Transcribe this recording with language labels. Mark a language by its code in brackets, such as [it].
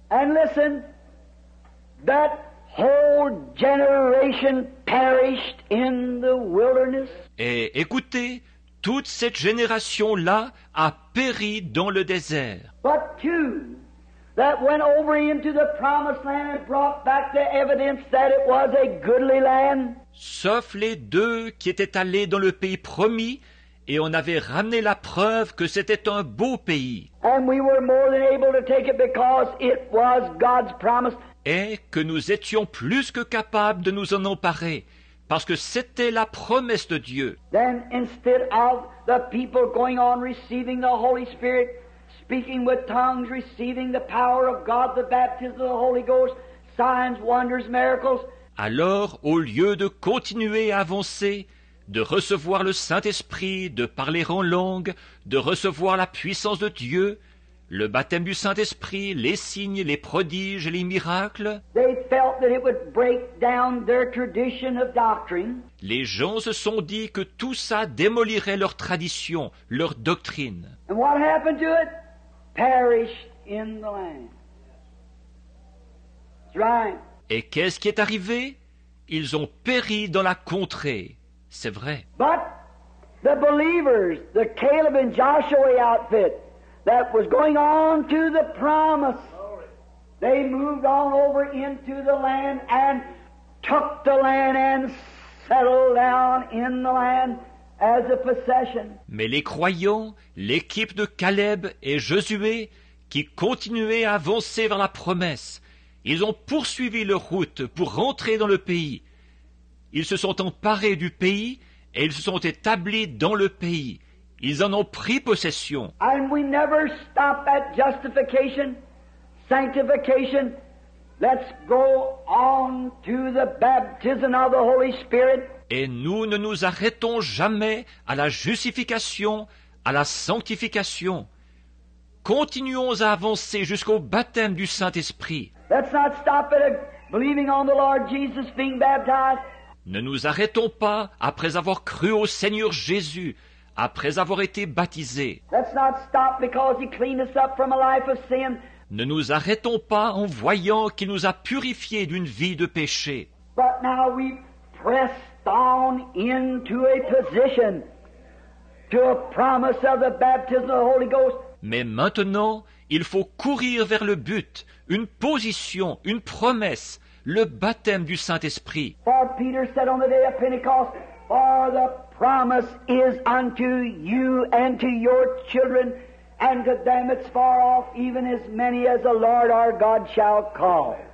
[en] And listen, that whole generation perished in the wilderness. [fr] Et écoutez, toute cette génération-là a péri dans le désert. [en] But two that went over into the promised land and brought back the evidence that it was a goodly land. [fr] Sauf les deux qui étaient allés dans le pays promis, et on avait ramené la preuve que c'était un beau pays. [en] And we were more than able to take it because it was God's promise. [fr] Et que nous étions plus que capables de nous en emparer, parce que c'était la promesse de Dieu. [en] Then instead of the people going on receiving the Holy Spirit, speaking with tongues, receiving the power of God, the baptism of the Holy Ghost, signs, wonders, miracles. [fr] Alors, au lieu de continuer à avancer, de recevoir le Saint-Esprit, de parler en langue, de recevoir la puissance de Dieu, le baptême du Saint-Esprit, les signes, les prodiges, les miracles, [en] they felt that it would break down their tradition of doctrine. [fr] Les gens se sont dit que tout ça démolirait leur tradition, leur doctrine. [en] And what happened to it? Perished in the land. That's right. [fr] Et qu'est-ce qui est arrivé? Ils ont péri dans la contrée. C'est vrai. [en] But the believers, the Caleb and Joshua outfit that was going on to the promise, they moved on over into the land and took the land and settled down in the land as a possession. [fr] Mais les croyants, l'équipe de Caleb et Josué, qui continuaient à avancer vers la promesse, ils ont poursuivi leur route pour rentrer dans le pays. Ils se sont emparés du pays et ils se sont établis dans le pays. Ils en ont pris possession. [en] And we never stop at justification, sanctification. Let's go on to the baptism of the Holy Spirit. [fr] Et nous ne nous arrêtons jamais à la justification, à la sanctification. Continuons à avancer jusqu'au baptême du Saint-Esprit. [en] Let's not stop at believing on the Lord Jesus being baptized. [fr] Ne nous arrêtons pas après avoir cru au Seigneur Jésus, après avoir été baptisés. [en] Let's not stop because he cleaned us up from a life of sin. [fr] Ne nous arrêtons pas en voyant qu'il nous a purifiés d'une vie de péché. [en] But now we press on into a position to a promise of the baptism of the Holy Ghost. [fr] Mais maintenant, il faut courir vers le but, une position, une promesse, le baptême du Saint-Esprit. [en] For Peter said on the day of Pentecost, for the promise is unto you and to your children, and to them it's far off, even as many as the Lord our God shall call.